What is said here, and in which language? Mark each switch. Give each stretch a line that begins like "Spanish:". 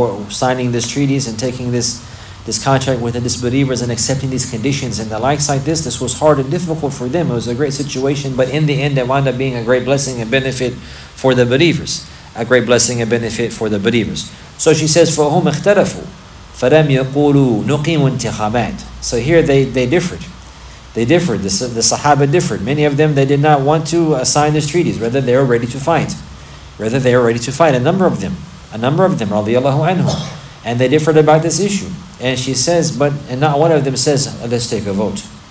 English: Signing these treaties and taking this contract with the disbelievers and accepting these conditions and the likes like this. This was hard and difficult for them. It was a great situation, but in the end, it wound up being a great blessing and benefit for the believers. a great blessing and benefit for the believers. So she says,
Arabic: فَهُمْ اخْتَلَفُوا فَلَمْ يَقُولُوا نُقِيمُ انْتِخَابَاتٍ.
English: So here they differed. They differed. The Sahaba differed. Many of them, they did not want to assign these treaties. Rather, they are ready to fight. Rather, they are ready to fight. A number of them, radiallahu anhu. And they differed about this issue. And she says, and not one of them says, let's take a vote.